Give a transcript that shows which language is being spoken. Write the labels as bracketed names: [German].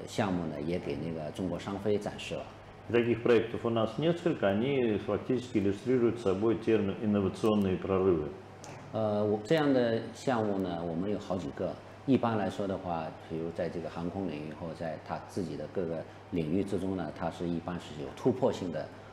[Chinese] 水上飞机，这个飞机呢，可以在水上、雪地上、草地上起降，那个坐4到6个人。今天呢，我们把这个项目呢，也给那个中国商飞展示了。 [Russian] Таких проектов у нас несколько, они фактически иллюстрируют собой термин инновационные прорывы. [Chinese] 这样的项目呢，我们有好几个。一般来说的话，比如在这个航空领域或在他自己的各个领域之中呢，它是一般是有突破性的。